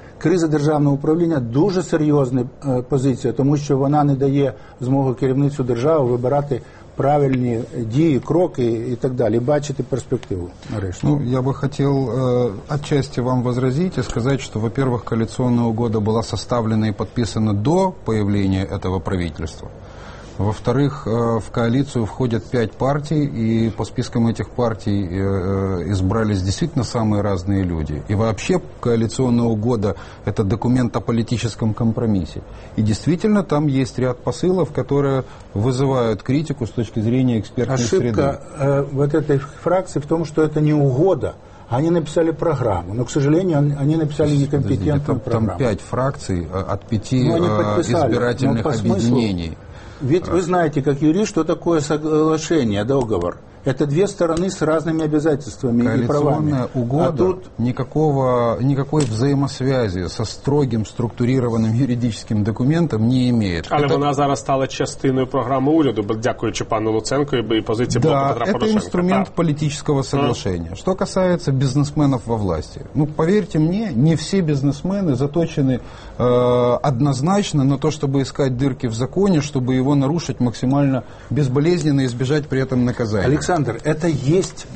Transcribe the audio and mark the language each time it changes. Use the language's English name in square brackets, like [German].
[Ukrainian] Криза державного управління – дуже серйозна позиція, тому що вона не дає змоги керівництву держави вибирати правильні дії, кроки і так далі, бачити перспективу. Нарешті. Ну, я би хотів отчасти вам возразити і сказати, що, во-первых, коаліційна угода була составлена і підписана до появления цього правительства. [Russian] Во-вторых, в коалицию входят 5 партий, и по спискам этих партий избрались действительно самые разные люди. И вообще коалиционная угода – это документ о политическом компромиссе. И действительно, там есть ряд посылов, которые вызывают критику с точки зрения экспертной ошибка среды. Ошибка вот этой фракции в том, что это не угода. Они написали программу, но, к сожалению, они написали некомпетентную программу. Там 5 фракций от 5 избирательных объединений. Ведь вы знаете, как юрист, что такое соглашение, договор. Это две стороны с разными обязательствами и правами. Коалиционная угода, а тут никакой взаимосвязи со строгим структурированным юридическим документом не имеет. [Ukrainian] Але вона зараз стала частиною програми уряду, дякуючи пану Луценко [Russian] и позиции [Ukrainian] Блока Петра Порошенка. [Russian] Это инструмент политического соглашения. Что касается бизнесменов во власти. Ну, поверьте мне, не все бизнесмены заточены однозначно на то, чтобы искать дырки в законе, чтобы его нарушить максимально безболезненно и избежать при этом наказания. Александр, это есть